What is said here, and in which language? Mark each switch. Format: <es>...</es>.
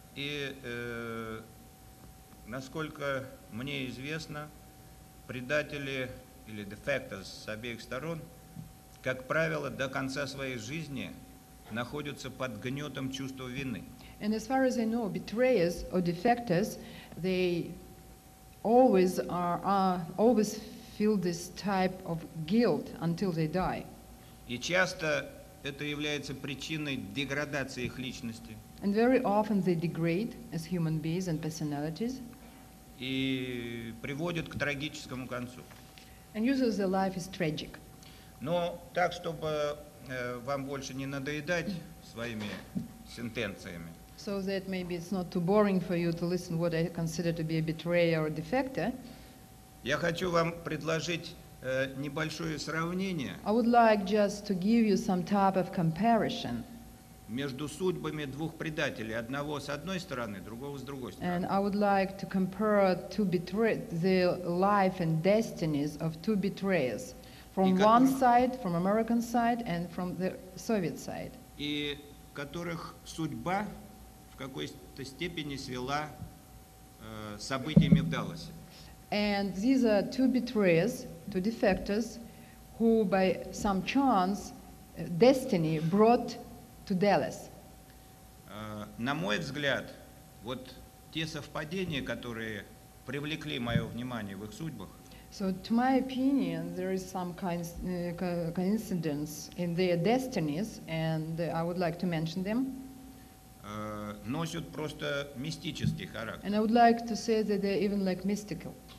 <ru>И насколько мне известно, предатели или defectors с обеих сторон, как правило, до конца своей жизни находятся под гнетом чувства вины.</ru> <en>And as far as I know, betrayers or defectors, they always are always feel this type of guilt until they die.</en> <ru>И часто это является причиной деградации их личности.</ru> <en>And very often they degrade as human beings and personalities.</en> <ru>И приводят к трагическому концу.</ru> <en>And usually their life is tragic.</en> <ru>Но так, чтобы вам больше не надоедать своими сентенциями.</ru> <en>So that maybe it's not too boring for you to listen what I consider to be a betrayer or a defector.</en> <ru>Я хочу вам предложить небольшое сравнение.</ru> <en>I would like just to give you some type of comparison.</en> <ru>Между судьбами двух предателей, одного с одной стороны, другого с другой стороны.</ru> <en>And I would like to compare two the life and destinies of two betrayers. From one side, from American side, and from the Soviet side.</en> <ru>И которых судьба в какой-то степени свела событиями в Далласе.</ru> <en>And these are two betrayers, two defectors, who by some chance, destiny brought to Dallas.</en> <ru>На мой взгляд, вот те совпадения, которые привлекли мое внимание в их судьбах,</ru> <en>so, to my opinion, there is some kind coincidence in their destinies, and I would like to mention them.</en> <ru>Носят просто мистический характер.</ru> <en>And I would like to say that they're even like mystical.</en>